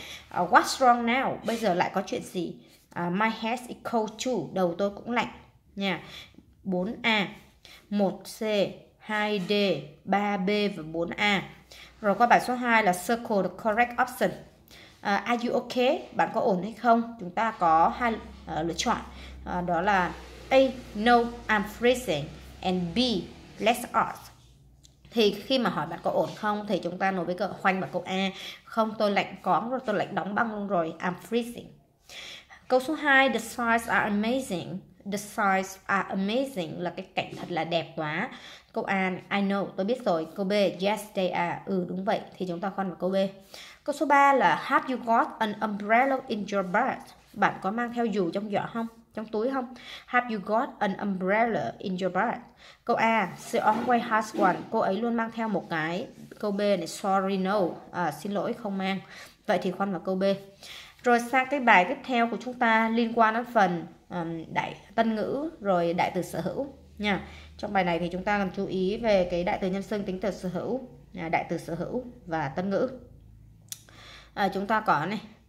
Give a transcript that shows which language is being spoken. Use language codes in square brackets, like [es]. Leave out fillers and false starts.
[en] What's wrong now? [vi] Bây giờ lại có chuyện gì? [en] My head is cold too. [vi] Đầu tôi cũng lạnh. Nha. 4A, 1C, 2D, 3B và 4A. Rồi qua bài số 2 là [en] circle the correct option. Are you okay? [vi] Bạn có ổn hay không? Chúng ta có hai lựa chọn. Đó là [en] A, no, I'm freezing, and B, let's ask. [vi] Thì khi mà hỏi bạn có ổn không thì chúng ta nói với cậu khoanh và cậu A. Không, tôi lạnh cóng rồi, tôi lạnh đóng băng luôn rồi. [en] I'm freezing. [vi] Câu số 2, [en] the sights are amazing. The sights are amazing [vi] là cái cảnh thật là đẹp quá. Câu A, [en] I know, [vi] tôi biết rồi. Câu B, [en] yes, they are. [vi] Ừ, đúng vậy. Thì chúng ta khoanh vào câu B. Câu số 3 là, [en] have you got an umbrella in your bag? [vi] Bạn có mang theo dù trong giỏ không? Trong túi không? [en] Have you got an umbrella in your bag? [vi] Câu A, [en] she always has one. [vi] Cô ấy luôn mang theo một cái. Câu B này, [en] sorry no. [vi] Xin lỗi, không mang. Vậy thì khoanh vào câu B. Rồi sang cái bài tiếp theo của chúng ta liên quan đến phần đại tân ngữ, rồi đại từ sở hữu. Nha. Trong bài này thì chúng ta cần chú ý về cái đại từ nhân xưng, tính từ sở hữu, đại từ sở hữu và tân ngữ. Chúng ta có này.